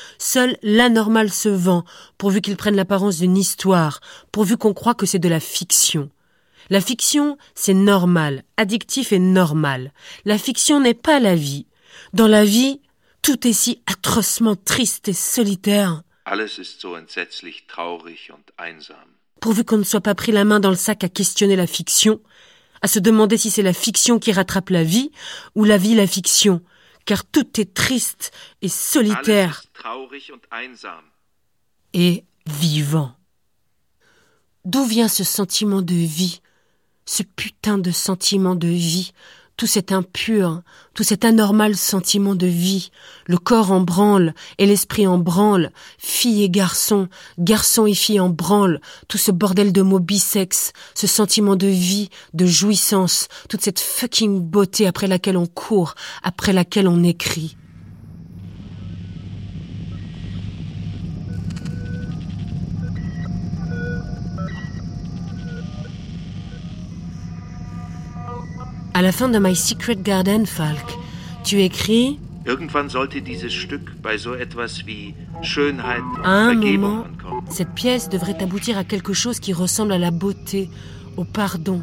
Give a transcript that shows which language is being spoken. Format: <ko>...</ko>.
<fr>Seul l'anormal se vend, pourvu qu'il prenne l'apparence d'une histoire, pourvu qu'on croit que c'est de la fiction. La fiction, c'est normal. Addictif et normal. La fiction n'est pas la vie. Dans la vie, tout est si atrocement triste et solitaire.</fr> <de>Alles ist so entsetzlich traurig und einsam.</de> <fr>Pourvu qu'on ne soit pas pris la main dans le sac à questionner la fiction, à se demander si c'est la fiction qui rattrape la vie ou la vie la fiction, car tout est triste et solitaire.</fr> <de>Alles ist traurig und einsam.</de> <fr>Et vivant. D'où vient ce sentiment de vie, ce putain de sentiment de vie, tout cet impur, tout cet anormal sentiment de vie, le corps en branle et l'esprit en branle, fille et garçon, garçon et fille en branle, tout ce bordel de mots bisexes, ce sentiment de vie, de jouissance, toute cette fucking beauté après laquelle on court, après laquelle on écrit. À la fin de My Secret Garden, Falk, tu écris...</fr> <de>Irgendwann sollte dieses Stück bei so etwas wie Schönheit</de> <fr>à un moment, cette pièce devrait aboutir à quelque chose qui ressemble à la beauté, au pardon.</fr>